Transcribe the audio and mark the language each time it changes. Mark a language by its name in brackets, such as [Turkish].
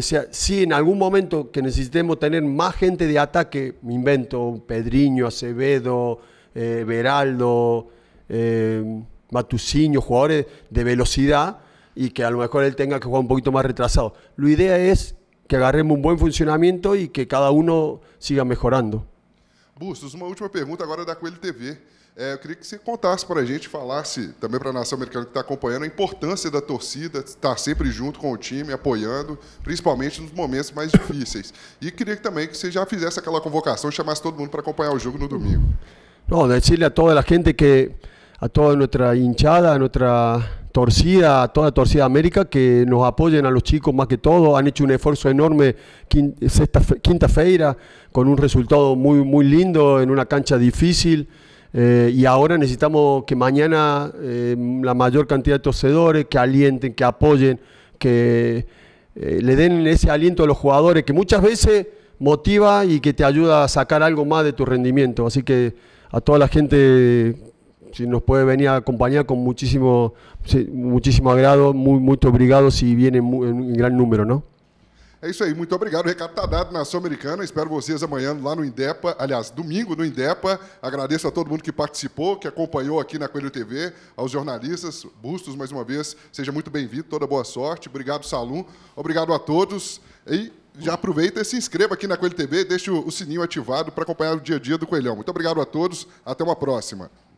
[Spanish] Sí, en algún momento que necesitemos tener más gente de ataque, me invento, Pedriño, Acevedo, Beraldo, Matuciño, jugadores de velocidad, y que a lo mejor él tenga que jugar un poquito más retrasado. La idea es que agarremos un buen funcionamiento y que cada uno siga mejorando. Bustos, una última pregunta ahora de Coelho TV. [Portuguese] Eu queria que você contasse para a gente, falasse também para a nação americana que está acompanhando, a importância da torcida estar sempre junto com o time, apoiando, principalmente nos momentos mais difíceis. E queria também que você já fizesse aquela convocação, chamasse todo mundo para acompanhar o jogo no domingo. Não, dizer a toda a gente, que a toda a nossa hinchada, a nossa torcida, a toda a torcida América, que nos apoiem, [Spanish] a los chicos [Portuguese] mais que todo. [Spanish] Han hecho [Portuguese] um esforço enorme quinta-feira, com um resultado muito lindo, em uma cancha difícil. [Spanish] Y ahora necesitamos que mañana la mayor cantidad de torcedores que alienten, que apoyen, que le den ese aliento a los jugadores, que muchas veces motiva y que te ayuda a sacar algo más de tu rendimiento. Así que a toda la gente, si nos puede venir a acompañar, con muchísimo, muchísimo agrado, muy obrigado si viene en gran número, ¿no? [Portuguese] É isso aí, muito obrigado. O recado está dado, nação americana. Espero vocês amanhã lá no Indepa, aliás, domingo no Indepa. Agradeço a todo mundo que participou, que acompanhou aqui na Coelho TV, aos jornalistas. Bustos, mais uma vez, seja muito bem-vindo, toda boa sorte. Obrigado, Salum. Obrigado a todos. E já aproveita e se inscreva aqui na Coelho TV, deixe o sininho ativado para acompanhar o dia a dia do Coelhão. Muito obrigado a todos, até uma próxima.